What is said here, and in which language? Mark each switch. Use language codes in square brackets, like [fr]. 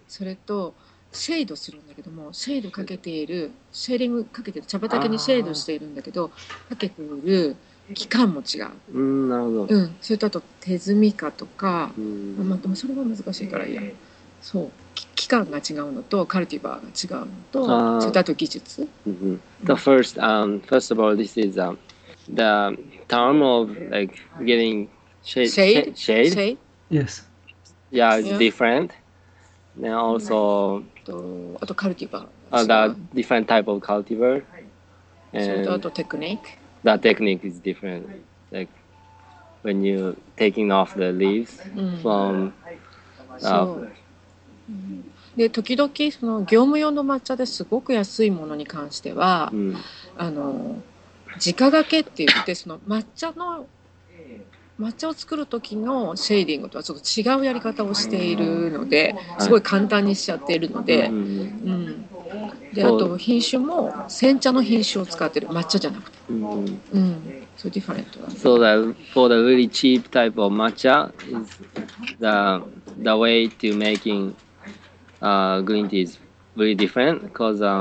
[ja] それとシェードするんだけども、シェードかけているシェーリングかけている茶畑にシェードしているんだけど、かけている期間も違う。うん、なるほど。うん、それとあと手摘みかとか、まあでもそれは難しいからいいや。そう、期間が違うのとカルティバーが違うのと、それとあと技術。 [en] うん、The first, first of all, this is the term of like getting shade. Shade? Yes. Yeah, it's different. Then also, [ja] あとカルティバー。 [en] The different type of cultivar. [ja] And あとテクニック。 [en] The technique is different. Like when you taking off the leaves from. [ja] で時々その業務用の抹茶ですごく安いものに関しては、あの直掛けって言ってその抹茶の抹茶を作る時のシェーディングとはちょっと違うやり方をしているのですごい簡単にしちゃっているので、であと品種も煎茶の品種を使っている抹茶じゃなくて、そうディファレントだ。 [en] So the for the really cheap type of matcha is the way to making green tea is really different because